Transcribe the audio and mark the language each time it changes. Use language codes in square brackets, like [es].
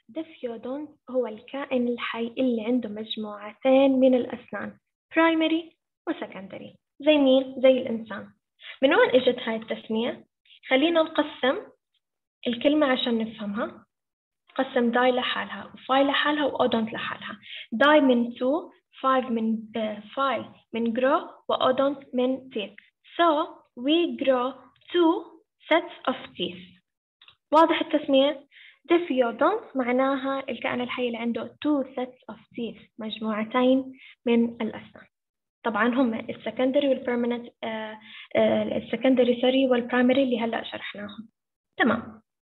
[ar] ديفيودونت هو الكائن الحي اللي عنده مجموعتين من الأسنان primary وsecondary، زي مين؟ زي الإنسان. من وين إجت هاي التسمية؟ خلينا نقسم الكلمة عشان نفهمها. قسم داي لحالها وفاي لحالها وأودونت لحالها. داي من تو، فاي من grow، وأودونت من teeth. [en] so we grow two sets of teeth. [ar] واضح التسمية؟ diffeodont معناها الكائن الحي اللي عنده [en] two sets of teeth، [ar] مجموعتين من الأسنان. طبعا هم السكندري والبرمننت، السكندري سوري والبرايمري اللي هلأ شرحناهم. تمام.